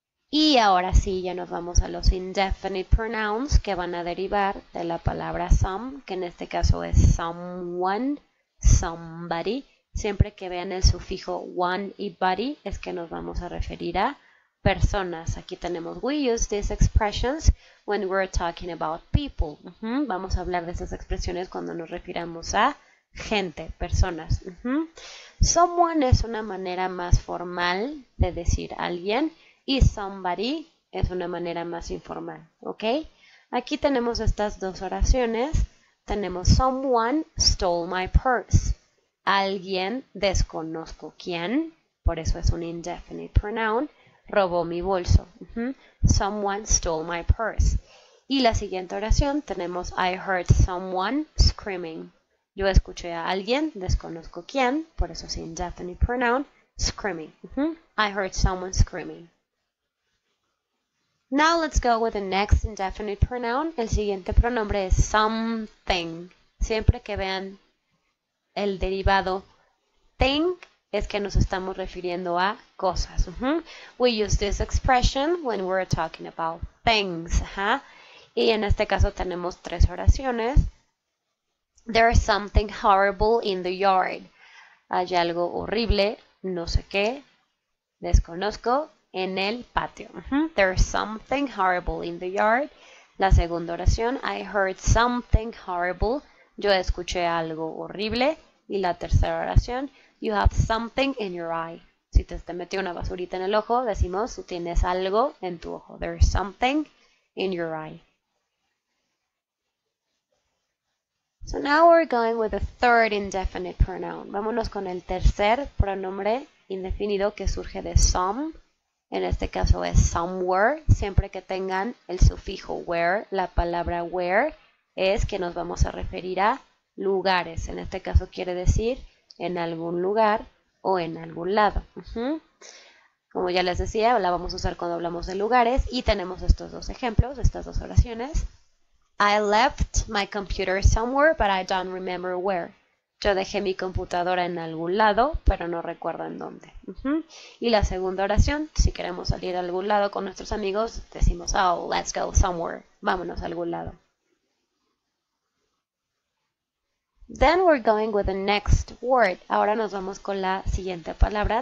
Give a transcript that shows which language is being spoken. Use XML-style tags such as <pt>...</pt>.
<es>Y ahora sí, ya nos vamos a los indefinite pronouns que van a derivar de la palabra some, que en este caso es someone, somebody. Siempre que vean el sufijo one y body, es que nos vamos a referir a personas. Aquí tenemos,</es> <en>we use these expressions when we're talking about people.</en> <es>Vamos a hablar de esas expresiones cuando nos refiramos a gente, personas. Someone es una manera más formal de decir alguien y somebody es una manera más informal, ¿ok? Aquí tenemos estas dos oraciones. Tenemos,</es> <en>someone stole my purse.</en> <es>Alguien, desconozco quién, por eso es un indefinite pronoun, robó mi bolso.</es> <en>Someone stole my purse.</en> <es>Y la siguiente oración tenemos,</es> <en>I heard someone screaming.</en> <es>Yo escuché a alguien, desconozco quién, por eso es indefinite pronoun, screaming.</es> <en>I heard someone screaming. Now let's go with the next indefinite pronoun.</en> <es>El siguiente pronombre es something. Siempre que vean el derivado thing es que nos estamos refiriendo a cosas.</es> <en>We use this expression when we're talking about things.</en> <es>Y en este caso tenemos tres oraciones.</es> <en>There is something horrible in the yard.</en> <es>Hay algo horrible, no sé qué, desconozco, en el patio.</es> <en>There is something horrible in the yard.</en> <es>La segunda oración,</es> <en>I heard something horrible.</en> <es>Yo escuché algo horrible. Y la tercera oración,</es> <en>you have something in your eye.</en> <es>Si te metió una basurita en el ojo, decimos, tú tienes algo en tu ojo.</es> <en>There's something in your eye. So now we're going with the third indefinite pronoun.</en> <es>Vámonos con el tercer pronombre indefinido que surge de some. En este caso es somewhere. Siempre que tengan el sufijo where, la palabra where es que nos vamos a referir a lugares. En este caso quiere decir en algún lugar o en algún lado. Como ya les decía, la vamos a usar cuando hablamos de lugares y tenemos estos dos ejemplos, estas dos oraciones.</es> <en>I left my computer somewhere, but I don't remember where.</en> <es>Yo dejé mi computadora en algún lado, pero no recuerdo en dónde. Y la segunda oración, si queremos salir a algún lado con nuestros amigos, decimos,</es> <en>oh, let's go somewhere.</en> <es>Vámonos a algún lado.</es> <en>Then we're going with the next word.</en> <es>Ahora nos vamos con la siguiente palabra.</es>